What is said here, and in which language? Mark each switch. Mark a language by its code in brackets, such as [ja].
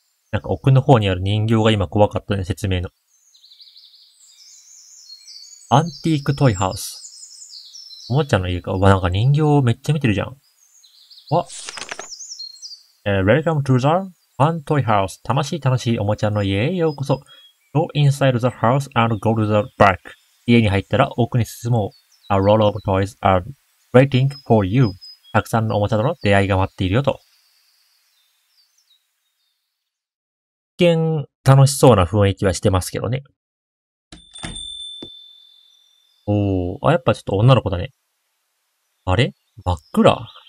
[ja] なんか奥の方にある人形が今怖かったね、説明の。アンティークトイハウス。おもちゃの家か。うわ、なんか人形めっちゃ見てるじゃん。 [en] わ、Welcome to the Fun Toy House. [ja] 魂魂おもちゃの家へようこそ。 [en] Go inside the house and go to the back. [ja] 家に入ったら奥に進もう。 [en] A lot of toys are waiting for you. [ja] たくさんのおもちゃとの出会いが待っているよと。一見楽しそうな雰囲気はしてますけどね。おー、あ、やっぱちょっと女の子だね。あれ？真っ暗？